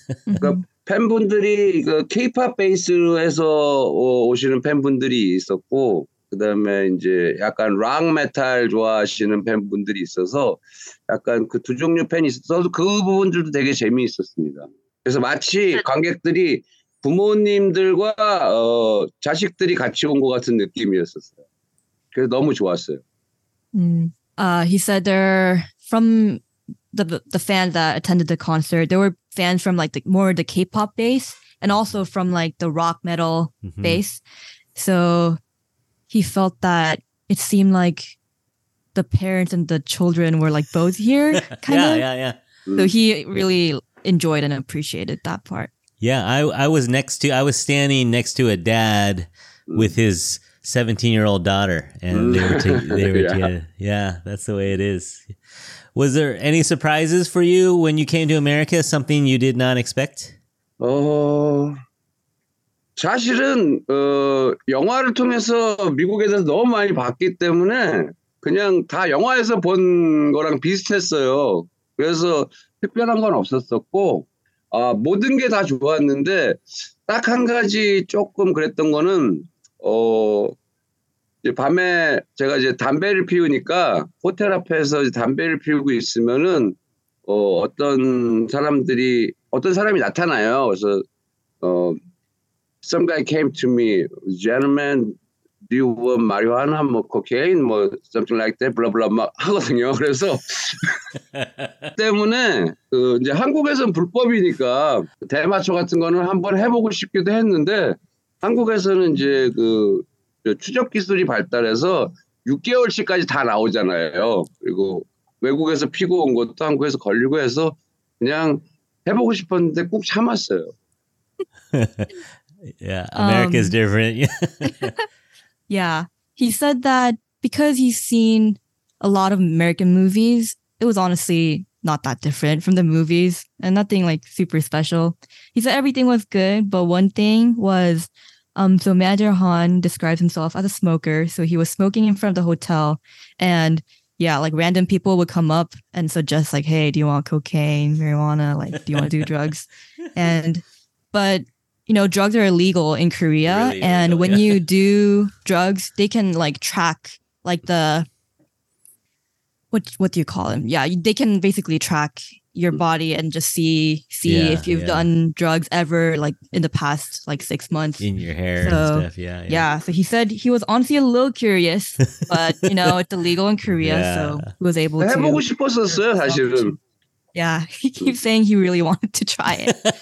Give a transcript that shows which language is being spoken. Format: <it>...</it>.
<ko>그러니까 팬분들이 그 K-pop 베이스로 해서 오시는 팬분들이 있었고, 그다음에 이제 약간 락 메탈 좋아하시는 팬분들이 있어서 약간 그 두 종류 팬이 있어서 그 부분들도 되게 재미있었습니다. 그래서 마치 관객들이 부모님들과 자식들이 같이 온 것 같은 느낌이었어요. 그래서 너무 좋았어요.</ko> <en>He said there. From the fans that attended the concert, there were fans from like the more the K-pop base and also from like the rock metal base. So he felt that it seemed like the parents and the children were like both here, kind of. Yeah. So he really enjoyed and appreciated that part. Yeah, I was standing next to a dad with his 17-year-old daughter, and they were together. Yeah, that's the way it is. Was there any surprises for you when you came to America? Something you did not expect?</en> <ko>사실은 영화를 통해서 미국에 대해서 너무 많이 봤기 때문에 그냥 다 영화에서 본 거랑 비슷했어요. 그래서 특별한 건 없었었고 모든 게 다 좋았는데 딱 한 가지 조금 그랬던 거는 밤에 제가 이제 담배를 피우니까 호텔 앞에서 이제 담배를 피우고 있으면은 어떤 사람이 나타나요. 그래서</ko> <en>some guy came to me, gentleman, do you want marijuana, cocaine, something like that, blah, blah, blah</en> <ko>하거든요. 그래서 때문에 이제 한국에서는 불법이니까 대마초 같은 거는 한번 해보고 싶기도 했는데 한국에서는 이제 그 추적 기술이 발달해서 6개월치까지 다 나오잖아요. 그리고 외국에서 피고 온 것도 한국에서 걸리고 해서 그냥 해보고 싶었는데 꾹 참았어요.</ko> <en>Yeah, America is different. Yeah, he said that because he's seen a lot of American movies, it was honestly not that different from the movies and nothing like super special. He said everything was good, but one thing was, so Manager Han describes himself as a smoker. So he was smoking in front of the hotel and yeah, like random people would come up and suggest like, hey, do you want cocaine, marijuana? Like, do you want to do drugs? But you know, drugs are illegal in Korea. Really illegal, and when yeah. you do drugs, they can like track like the, what do you call them? Yeah, they can basically track your body and just see yeah, if you've yeah. done drugs ever like in the past like 6 months. In your hair so, and stuff, yeah. So he said he was honestly a little curious, but you know, it's illegal in Korea, yeah. so he was able to.</en> <ko>해보고 싶었었어요, 사실은.</ko> <en>Yeah, he keeps saying he really wanted to try it.</en>